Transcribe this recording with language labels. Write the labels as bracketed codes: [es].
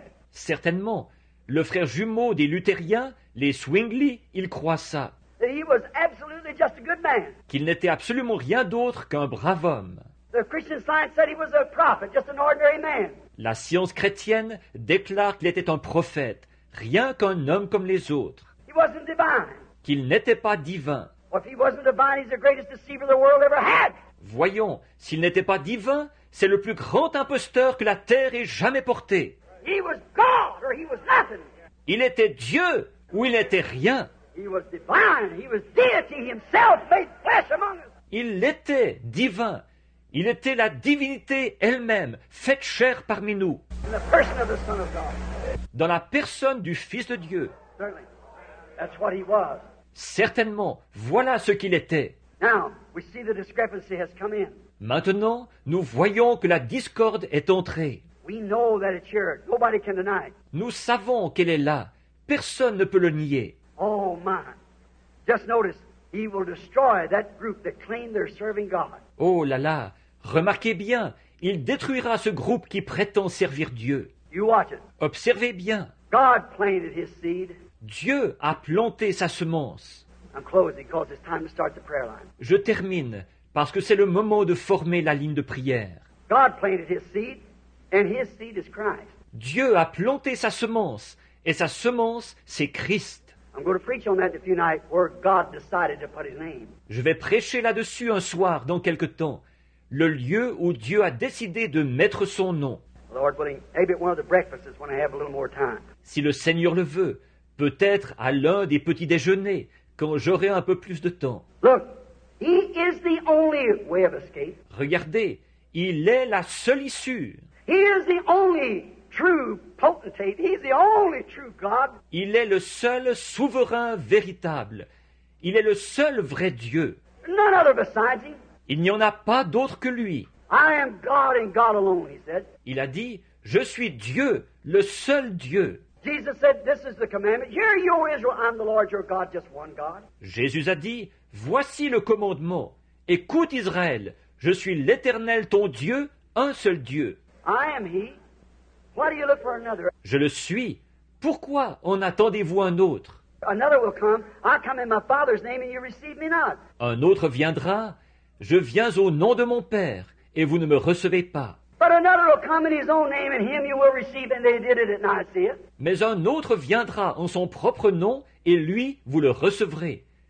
[fr] Certainement. Le frère jumeau des luthériens, les Swingley, il croit ça. [en] That he was absolutely just a good man. [fr] Qu'il n'était absolument rien d'autre qu'un brave homme. [en] The Christian Science said he was a prophet, just an ordinary man. [fr] La science chrétienne déclare qu'il était un prophète, rien qu'un homme comme les autres. [en] He wasn't divine. [fr] Qu'il n'était pas divin. [en] Well, if he wasn't divine, he's the greatest deceiver the world ever had. [fr] Voyons, s'il n'était pas divin, c'est le plus grand imposteur que la terre ait jamais porté. [en] He was God or he was nothing. [fr] Il était Dieu ou il n'était rien. [en] He was divine. He was deity himself made flesh among us. [fr] Il était divin. Il était la divinité elle-même, faite chair parmi nous. [en] In the person of the Son of God. [fr] Dans la personne du Fils de Dieu. [en] Certainly. That's what he was. [fr] Certainement, voilà ce qu'il était. [en] Now, we see the discrepancy has come in. [fr] Maintenant, nous voyons que la discorde est entrée. [en] We know that it's here. Nobody can deny it. [fr] Nous savons qu'elle est là. Personne ne peut le nier. [en] Oh my. Just notice, he will destroy that group that claim they're serving God. [fr] Oh là là. Remarquez bien, il détruira ce groupe qui prétend servir Dieu. [en] You watch it. [fr] Observez bien. [en] God planted his seed. [fr] Dieu a planté sa semence. [en] I'm closing because it's time to start the prayer line. [fr] Je termine parce que c'est le moment de former la ligne de prière. [en] God planted his seed. And his seed is Christ. [fr] Dieu a planté sa semence, et sa semence, c'est Christ. [en] I'm going to preach on that a few nights where God decided to put his name. [fr] Je vais prêcher là-dessus un soir dans quelque temps, le lieu où Dieu a décidé de mettre son nom. [en] Lord willing, maybe at one of the breakfasts when I have a little more time. [fr] Si le Seigneur le veut, peut-être à l'un des petits déjeuners quand j'aurai un peu plus de temps. [en] Look, he is the only way of escape. [fr] Regardez, il est la seule issue. [en] He is the only true potentate. He is the only true God. [fr] Il est le seul souverain véritable. Il est le seul vrai Dieu. [en] None other besides him. [fr] Il n'y en a pas d'autre que lui. [en] I am God and God alone, he said. [fr] Il a dit, je suis Dieu, le seul Dieu. [en] Jesus said, this is the commandment. Hear, you, O Israel, I'm the Lord your God, just one God. [fr] Jésus a dit, voici le commandement. Écoute Israël, je suis l'Éternel ton Dieu, un seul Dieu. [en] I am he. Why do you look for another? [fr] Je le suis. Pourquoi en attendez-vous un autre? [en] Another will come. I come in my Father's name and you receive me not. [fr] Un autre viendra. Je viens au nom de mon Père et vous ne me recevez pas. [en] But a another will come in his own name, and him you will receive. And they did it at Nicaea. [fr] Mais un autre viendra en son propre nom, et lui vous le recevrez.